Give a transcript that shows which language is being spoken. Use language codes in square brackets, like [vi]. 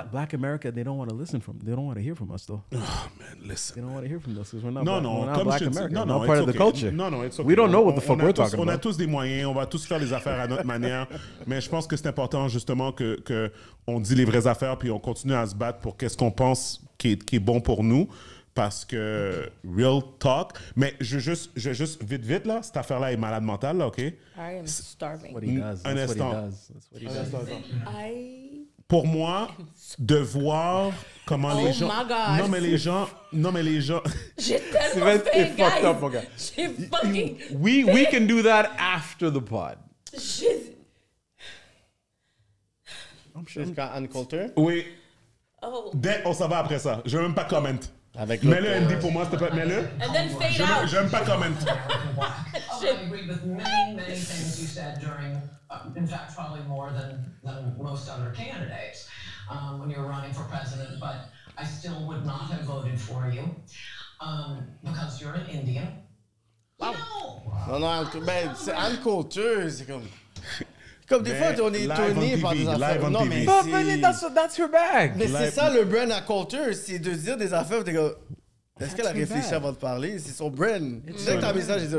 [en] Black America, they don't want to listen from, they don't want to hear from us though. Oh man, listen. They don't want to hear from us because we're not Black America. We're not part of the culture. No, we don't know what the fuck we're talking about. [fr] On a tous des moyens, on va tous faire les affaires à notre manière. Mais je pense que c'est important justement que on dit les vraies affaires puis on continue à se battre pour qu'est-ce qu'on pense. Qui est bon pour nous, parce que [en] real talk, [fr] mais je veux juste vite là, cette affaire là est malade mentale là, OK? [en] I am starving. What he does. [fr] Un instant. [en] That's what he does. [fr] Pour moi, de voir comment les gens... [en] Oh my God. [fr] Non, mais les gens... J'ai tellement fait, guys. C'est fucked up, mon gars. J'ai fucking... [en] We can do that after the pod. [fr] Juste quand Ann Coulter? Oui. Oh. Dès on s'en va après ça. Je n'aime pas comment. Avec mets-le, Andy, pour moi, s'il te plaît. Mets-le. [en] And then fade [fr] je [en] out. [fr] Je n'aime pas comment. [en] Oh, I agree with many things you said during, in fact, probably more than most other candidates when you were running for president, but I still would not have voted for you because you're an Indian. Wow. [fr] Non, non, mais c'est Ann Coulter, c'est comme... Comme des fois, on est tourné par des affaires. Non, mais c'est... [en] Mais that's her bag. [fr] Mais c'est ça, le brand à culture, c'est de dire des affaires. Est-ce qu'elle a réfléchi avant de parler? C'est son brand. Tu sais que t'as mis ça, j'ai dit...